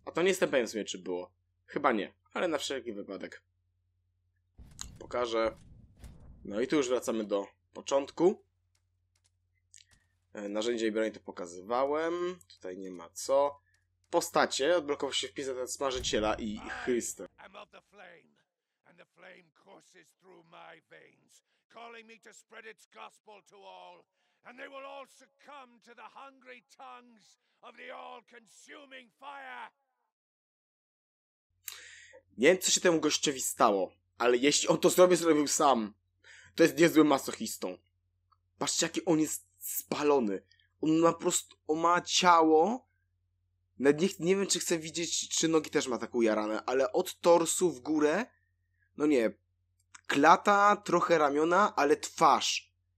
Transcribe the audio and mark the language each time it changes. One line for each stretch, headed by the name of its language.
Polish: A to nie jestem pewien w sumie, czy było. Chyba nie, ale na wszelki wypadek. Pokażę. No i tu już wracamy do początku. Narzędzie i broń to pokazywałem. Tutaj nie ma co. Postacie odblokował się wpis na Smażyciela i Chrystę.
English: I'm of the flame, and the flame courses through my veins, calling me to spread its gospel to all, and they will all succumb to the hungry tongues of the all-consuming fire.
Polish: Nie wiem, co się temu gościowi stało, ale jeśli on to zrobił, zrobił sam, to jest niezłym masochistą. Patrzcie, jaki on jest spalony. On ma po prostu, on ma ciało. Nawet nie wiem, czy chcę widzieć, czy nogi też ma tak ujarane, ale od torsu w górę, no nie, klata, trochę ramiona, ale twarz.